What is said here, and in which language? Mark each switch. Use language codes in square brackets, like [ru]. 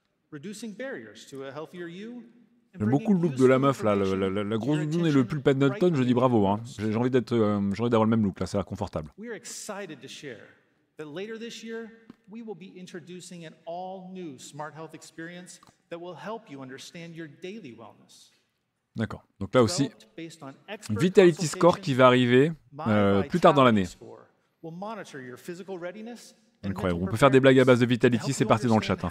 [en] Reducing barriers to a healthier you. [fr] J'aime beaucoup le look de la meuf là, la grosse doudoune et le pull Pendleton, je dis bravo hein. J'ai envie d'avoir le même look là, c'est confortable. [en] We are excited to share that later this year, we will be introducing an all new smart health experience that will help you understand your daily wellness. [fr] D'accord. Donc là aussi Vitality Score qui va arriver plus tard dans l'année. [en] Will monitor your physical readiness. [fr] Incroyable, on peut faire des blagues à base de Vitality, c'est parti dans le chat, hein.